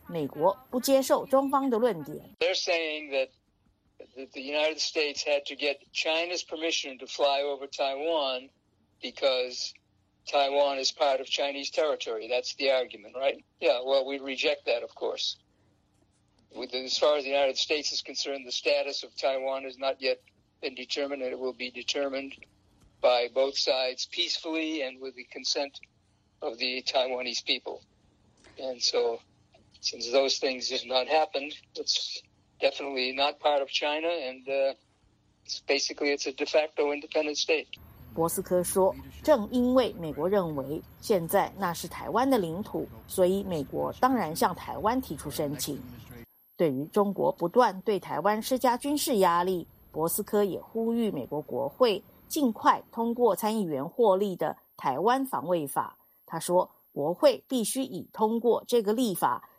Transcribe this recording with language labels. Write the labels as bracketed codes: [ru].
[zh] 不过，美国军机飞越台湾上空也引发中国强烈不满。中国政府指责美方未经中方允许飞越中国领土，严重侵犯中国领土主权。但博斯科说，美国不接受中方的论点。 [en] They're saying that the United States had to get China's permission to fly over Taiwan because Taiwan is part of Chinese territory. That's the argument, right? Yeah, well, we reject that, of course. As far as the United States is concerned, the status of Taiwan has not yet been determined, and it will be determined by both sides peacefully and with the consent of the Taiwanese people. And so since those things have not happened, it's definitely not part of China, and it's a de facto independent state. [zh] 博斯科说，正因为美国认为现在那是台湾的领土，所以美国当然向台湾提出申请。对于中国不断对台湾施加军事压力，博斯科也呼吁美国国会尽快通过参议员获利的台湾防卫法。他说，国会必须以通过这个立法